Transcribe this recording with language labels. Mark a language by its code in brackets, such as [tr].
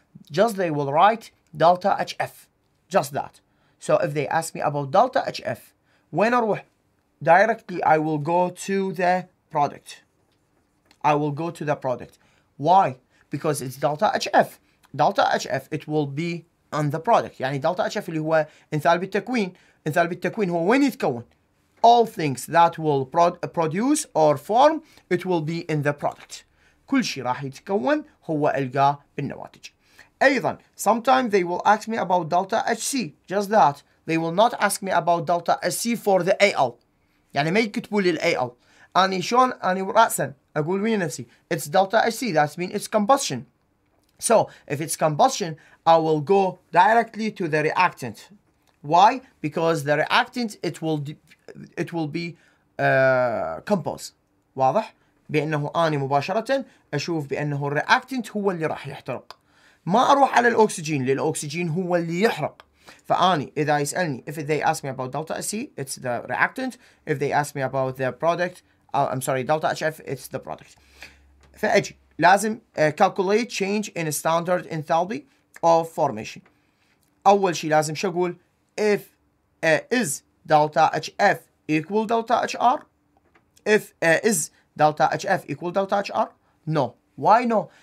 [en] Just they will write delta HF. Just that. So if they ask me about delta HF, when or where? Directly I will go to the product. I will go to the product. Why? Because it's delta HF. Delta HF, it will be on the product. [ar] يعني delta HF اللي هو enthalpy التكوين. [en] Enthalpy [ar] التكوين هو وين يتكون؟ [en] All things that will produce or form, it will be in the product. [ar] كل شيء راح يتكون هو ألقاه بالنواتج. أيضا [en] sometimes they will ask me about delta HC. Just that. They will not ask me about delta HC for the AL. [ar] يعني ما يكتبوا لي الAL. أني شون أني رأسا أقول مين نفسي. [en] It's delta HC. That means it's combustion. So if it's combustion, I will go directly to the reactant. Why? Because the reactant it will be compost. [ar] واضح؟ بأنه أنا مباشرة أشوف بأنه الرياكتنت هو اللي راح يحترق. ما أروح على الأكسجين لأن الأكسجين هو اللي يحرق. فأني إذا يسألني [en] if they ask me about delta C it's the reactant, if they ask me about the product I'm sorry delta HF it's the product. [ar] فأجي لازم [en] calculate change in standard enthalpy of formation. [ar] أول شيء لازم شقول [en] if is delta HF equal delta HR, if is delta HF equal delta HR, no. Why no?